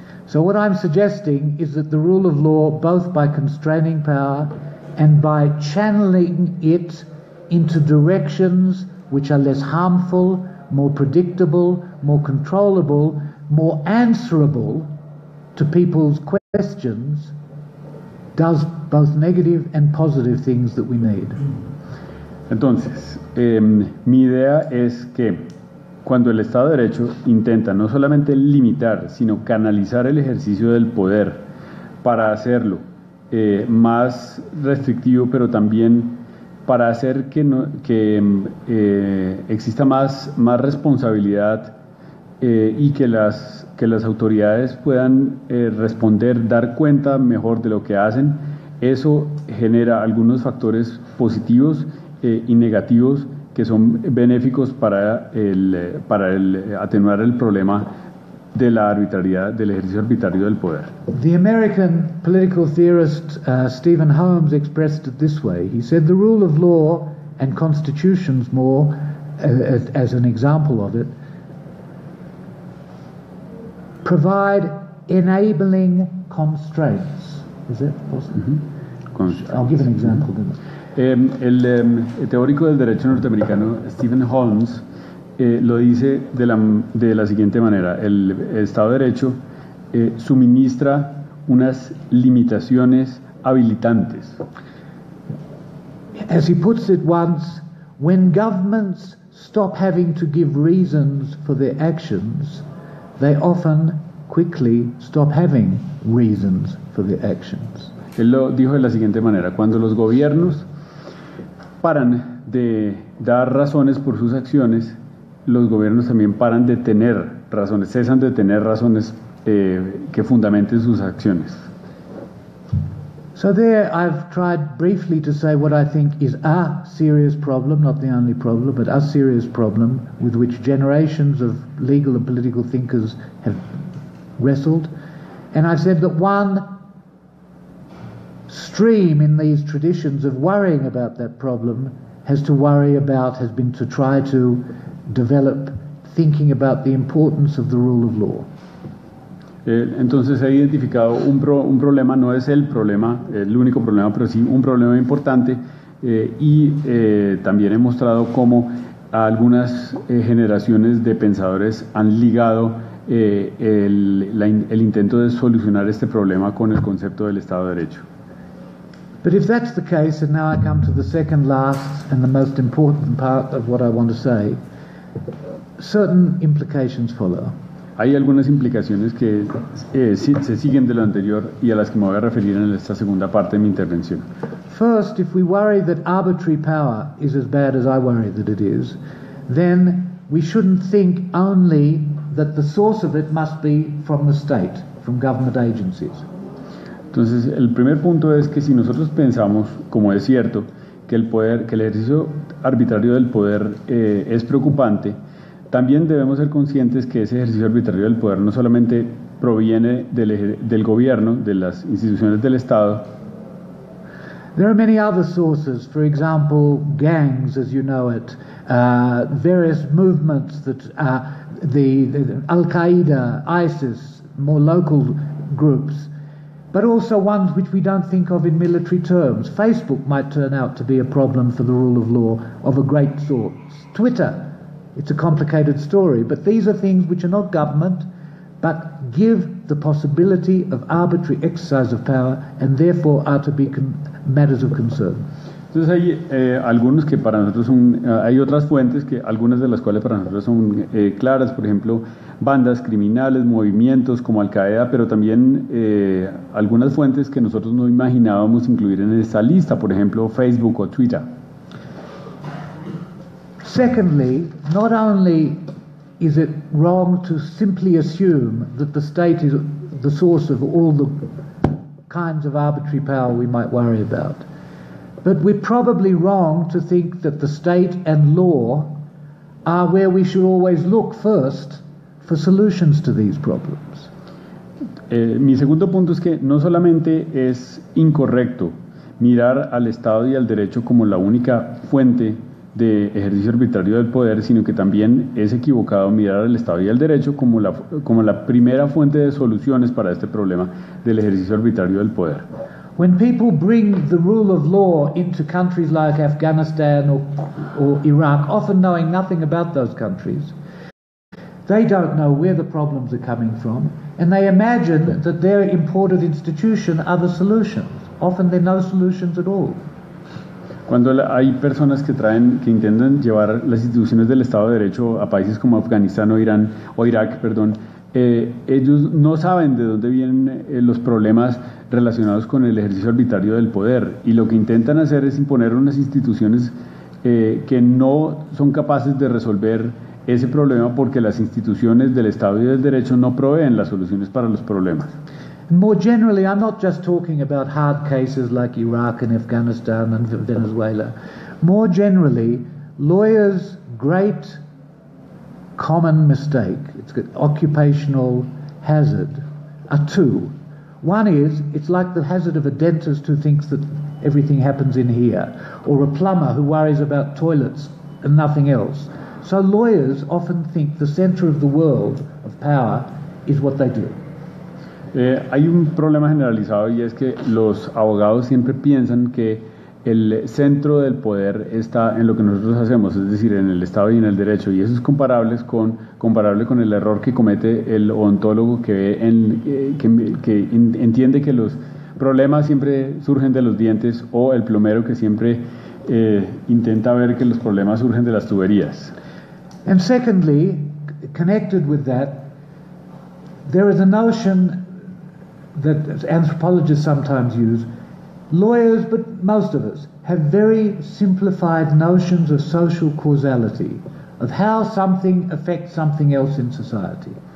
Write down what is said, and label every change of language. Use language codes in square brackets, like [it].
[en] So what I'm suggesting is that the rule of law, both by constraining power and by channeling it into directions which are less harmful, more predictable, more controllable, more answerable to people's questions, does both negative and positive things that we need. [es] Entonces, mi idea es que cuando el Estado de Derecho intenta no solamente limitar, sino canalizar el ejercicio del poder para hacerlo más restrictivo, pero también para hacer que no, que exista más responsabilidad y que las autoridades puedan responder, dar cuenta mejor de lo que hacen. Eso genera algunos factores positivos y negativos que son benéficos para el atenuar el problema de la arbitrariedad, del ejercicio arbitrario del poder. [en] The American political theorist Stephen Holmes expressed it this way. He said the rule of law and constitutions more as an example of it provide enabling constraints. Is that possible? Mm-hmm. I'll give an example then. [es] El teórico del derecho norteamericano Stephen Holmes lo dice de la siguiente manera: el Estado de Derecho suministra unas limitaciones habilitantes. [en] As he puts it once, when governments stop having to give reasons for their actions, they often quickly stop having reasons for their actions. [es] Él lo dijo de la siguiente manera: cuando los gobiernos paran de dar razones por sus acciones, los gobiernos también paran de tener razones, cesan de tener razones que fundamenten sus acciones. [en] So there I've tried briefly to say what I think is a serious problem, not the only problem, but a serious problem with which generations of legal and political thinkers have wrestled. And I've said that one stream in these traditions of worrying about that problem has been to try to develop thinking about the importance of the rule of law. [es] Entonces he identificado un problema, no es el problema, el único problema, pero sí un problema importante, y también he mostrado cómo algunas generaciones de pensadores han ligado el intento de solucionar este problema con el concepto del Estado de Derecho. [en] But if that's the case, and now I come to the second last and the most important part of what I want to say, certain implications follow. [es] Hay algunas implicaciones que se siguen de lo anterior y a las que me voy a referir en esta segunda parte de mi intervención. [en] First, if we worry that arbitrary power is as bad as I worry that it is, then we shouldn't think only that the source of it must be from the state, from government agencies. [es] Entonces, el primer punto es que si nosotros pensamos, como es cierto, que el poder, que el ejercicio arbitrario del poder es preocupante, también debemos ser conscientes que ese ejercicio arbitrario del poder no solamente proviene del gobierno, de las instituciones del Estado. [en] There are many other sources, for example, gangs, as you know it, various movements that the Al-Qaeda, ISIS, more local groups. But also ones which we don't think of in military terms. Facebook might turn out to be a problem for the rule of law of a great sort. Twitter, it's a complicated story, but these are things which are not government, but give the possibility of arbitrary exercise of power and therefore are to be matters of concern. [es] Entonces hay algunos que para nosotros son, hay otras fuentes que algunas de las cuales para nosotros son claras, por ejemplo, bandas criminales, movimientos como Al-Qaeda, pero también algunas fuentes que nosotros no imaginábamos incluir en esta lista, por ejemplo, Facebook o Twitter. [en] Secondly, not only is it wrong to simply assume that the state is the source of all the kinds of arbitrary power we might worry about, but we're probably wrong to think that the state and law are where we should always look first for solutions to these problems. [es] Mi segundo punto es que no solamente es incorrecto mirar al Estado y al derecho como la única fuente de ejercicio arbitrario del poder, sino que también es equivocado mirar al Estado y al derecho como la primera fuente de soluciones para este problema del ejercicio arbitrario del poder. [en] When people bring the rule of law into countries like Afghanistan or Iraq, often knowing nothing about those countries, they don't know where the problems are coming from, and they imagine that their imported institutions are the solutions. Often they're no solutions at all. [es] Cuando hay personas que intentan llevar las instituciones del Estado de Derecho a países como Afganistán o Irak, ellos no saben de dónde vienen los problemas relacionados con el ejercicio arbitrario del poder, y lo que intentan hacer es imponer unas instituciones que no son capaces de resolver ese problema porque las instituciones del Estado y del Derecho no proveen las soluciones para los problemas. [en] More generally, I'm not just talking about hard cases like Iraq and Afghanistan and Venezuela. More generally, lawyers' great common mistake, it's got occupational hazard, are two. One is, it's like the hazard of a dentist who thinks that everything happens in here, or a plumber who worries about toilets and nothing else. So lawyers often think the center of the world of power is what they do. [es] Hay un problema generalizado, y es que los abogados siempre piensan que el centro del poder está en lo que nosotros hacemos, es decir, en el Estado y en el derecho, y eso es comparable con el error que comete el odontólogo que entiende que los problemas siempre surgen de los dientes, o el plomero que siempre intenta ver que los problemas surgen de las tuberías. [en] And secondly, connected with that, there is a notion that anthropologists sometimes use. Lawyers, but most of us, have very simplified notions of social causality, of how something affects something else in society.